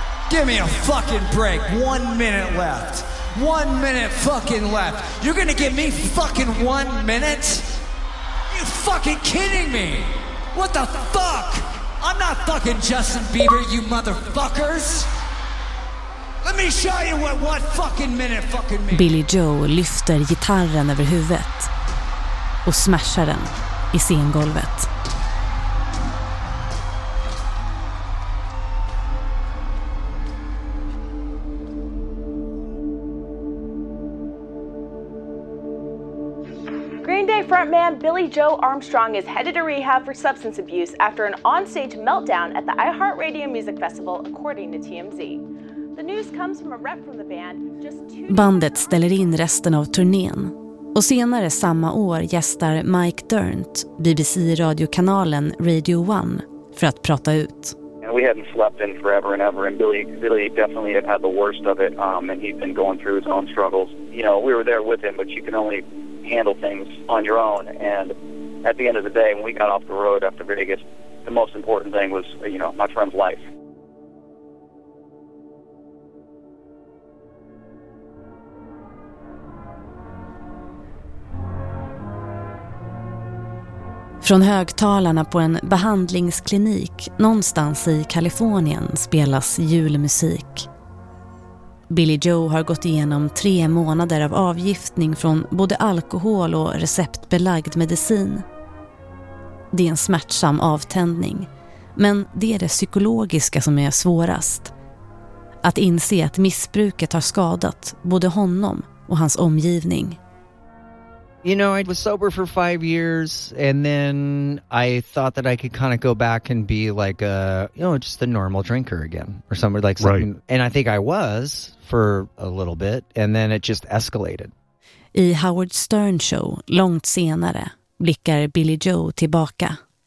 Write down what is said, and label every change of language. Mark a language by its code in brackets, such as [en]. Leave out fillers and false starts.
[en] Give me a fucking break. 1 minute left. 1 minute fucking left. You're gonna give me fucking 1 minute? You fucking kidding me? What the fuck? I'm not fucking Justin Bieber, you motherfuckers. Let me show you what fucking minute fucking means. [sv] Billy Joe lyfter gitarren över huvudet och smashar den i scengolvet. [en] Frontman Billy Joe Armstrong is headed to rehab for substance abuse after an onstage meltdown at the iHeartRadio Music Festival, according to TMZ. The news comes from a rep from the band. [sv] Bandet ställer in resten av turnén. Och senare samma år gästar Mike Dirnt BBC-radiokanalen Radio One för att prata ut. [en] We hadn't slept in forever and ever, and Billy definitely had the worst of it, and he'd been going through his own struggles. You know, we were there with him, but you can only handle things on your own. And at the end of the day, when we got off the road after Vegas, the most important thing was, you know, my friend's life. [sv] Från högtalarna på en behandlingsklinik någonstans i Kalifornien spelas julmusik. Billy Joe har gått igenom 3 månader av avgiftning från både alkohol och receptbelagd medicin. Det är en smärtsam avtändning, men det är det psykologiska som är svårast. Att inse att missbruket har skadat både honom och hans omgivning. [en] You know, I was sober for 5 years and then I thought that I could kind of go back and be like a, you know, just a normal drinker again or somebody like something. Right. And I think I was for a little bit and then it just escalated. [sv] I Howard Stern show långt senare blickar Billy Joe tillbaka.